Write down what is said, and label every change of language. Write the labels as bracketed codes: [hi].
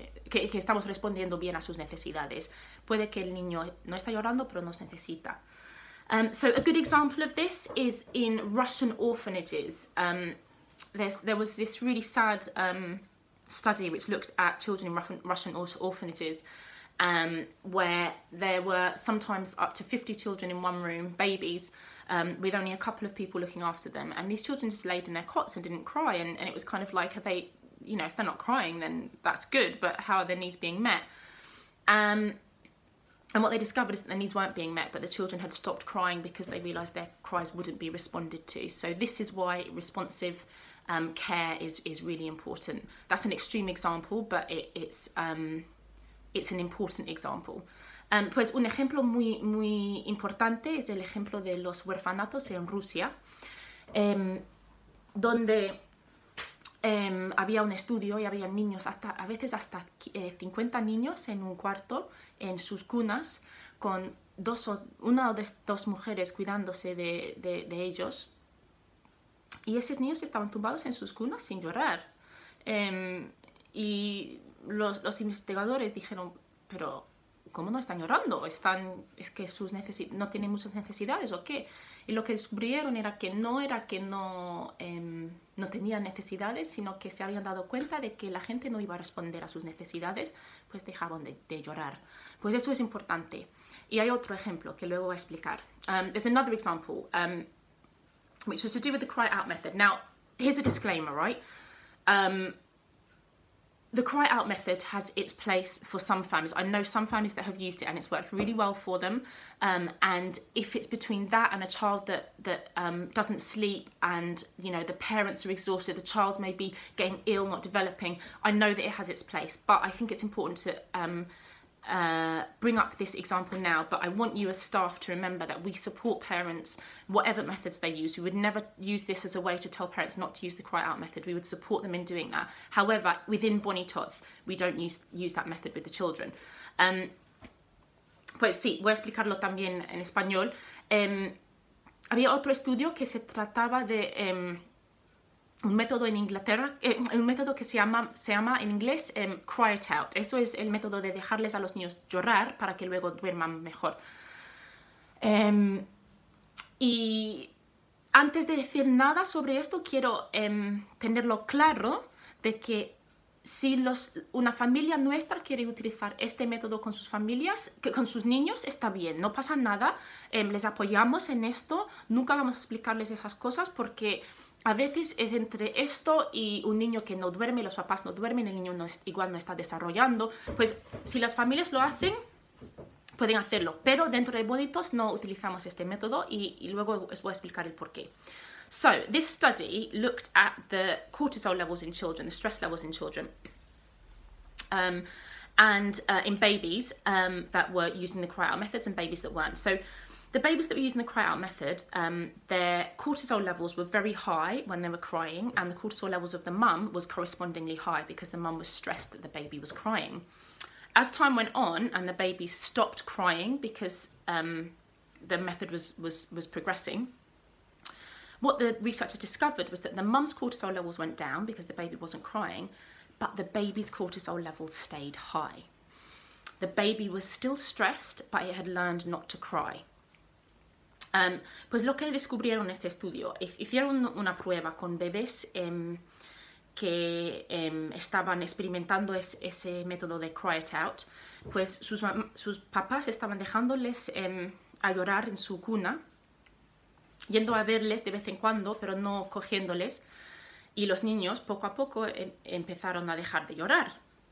[es] Que estamos respondiendo bien a sus necesidades. Puede que el niño no está llorando, pero nos necesita. [en] So a good example of this is in Russian orphanages. There was this really sad study which looked at children in Russian orphanages where there were sometimes up to 50 children in one room, babies, with only a couple of people looking after them. And these children just laid in their cots and didn't cry. And it was kind of like, you know, if they're not crying, then that's good, but how are their needs being met? And what they discovered is that their needs weren't being met, but the children had stopped crying because they realised their cries wouldn't be responded to. So this is why responsive care is really important. That's an extreme example, but it's an important example. [es] Pues un ejemplo muy, muy importante es el ejemplo de los huérfanatos en Rusia, donde... había un estudio y había niños, a veces hasta 50 niños en un cuarto, en sus cunas, con una o dos mujeres cuidándose de ellos. Y esos niños estaban tumbados en sus cunas sin llorar. Y los investigadores dijeron, pero ¿cómo no están llorando? ¿Es que sus no tienen muchas necesidades o qué? Y lo que descubrieron era que no tenían necesidades, sino que se habían dado cuenta de que la gente no iba a responder a sus necesidades, pues dejaban de llorar. Pues eso es importante. Y hay otro ejemplo que luego voy a explicar. [en] There's another example, which was to do with the cry out method. Now, here's a disclaimer, right? The cry out method has its place for some families. I know some families that have used it and it's worked really well for them. And if it's between that and a child that doesn't sleep and, you know, the parents are exhausted, the child's maybe getting ill, not developing, I know that it has its place. But I think it's important to bring up this example now, but I want you as staff to remember that we support parents, whatever methods they use. We would never use this as a way to tell parents not to use the cry out method. We would support them in doing that. However, within Bonnie Tots, we don't use that method with the children. [es] Pues sí, voy a explicarlo también en español. Había otro estudio que se trataba de un método en Inglaterra, un método que se llama en inglés cry it out. Eso es el método de dejarles a los niños llorar para que luego duerman mejor. Y antes de decir nada sobre esto, quiero tenerlo claro de que si una familia nuestra quiere utilizar este método con sus familias, con sus niños, está bien, no pasa nada. Les apoyamos en esto, nunca vamos a explicarles esas cosas porque a veces es entre esto y un niño que no duerme, los papás no duermen, el niño no está desarrollando. Pues si las familias lo hacen, pueden hacerlo. Pero dentro de Bonnie Tots no utilizamos este método y luego os voy a explicar el porqué. [en] So, this study looked at the cortisol levels in children, the stress levels in children, and in babies that were using the cry-out methods and babies that weren't. So, the babies that were using the cry-out method, their cortisol levels were very high when they were crying, and the cortisol levels of the mum was correspondingly high because the mum was stressed that the baby was crying. As time went on and the baby stopped crying because the method was progressing, what the researchers discovered was that the mum's cortisol levels went down because the baby wasn't crying, but the baby's cortisol levels stayed high. The baby was still stressed, but it had learned not to cry. [es] Pues lo que descubrieron en este estudio, hicieron una prueba con bebés que estaban experimentando ese método de cry it out, pues sus papás estaban dejándoles a llorar en su cuna, yendo a verles de vez en cuando, pero no cogiéndoles, y los niños poco a poco empezaron a dejar de llorar.